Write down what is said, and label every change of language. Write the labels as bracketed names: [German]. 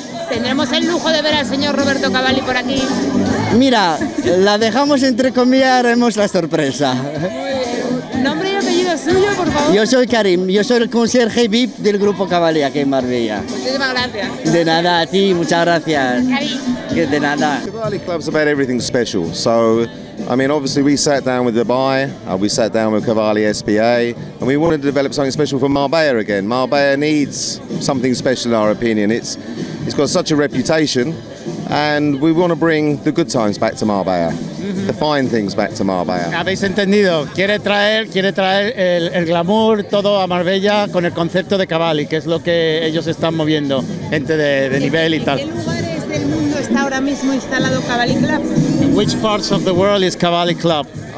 [Spanish] ¿Tendremos el lujo de ver al señor Roberto Caballi por aquí? Mira, la dejamos entre comillas, haremos la sorpresa. ¿Nombre y apellido suyo, por favor? Yo soy Karim, yo soy el conserje VIP del grupo Caballi aquí en Marbella. Muchísimas gracias. De nada, a ti, muchas gracias. Karim. De nada. [English] Caballi Club's about everything special, so I mean, obviously we sat down with Dubai, we sat down with Caballi SPA, and we wanted to develop something special for Marbella again. Marbella needs something special in our opinion. It's got such a reputation, and we want to bring the good times back to Marbella, the fine things back to Marbella. [Spanish] ¿Habéis entendido? Quiere traer el glamour todo a Marbella con el concepto de Caballi, que es lo que ellos están moviendo, gente de nivel y tal. Instalado Club. [English] Which parts of the world is Caballi Club?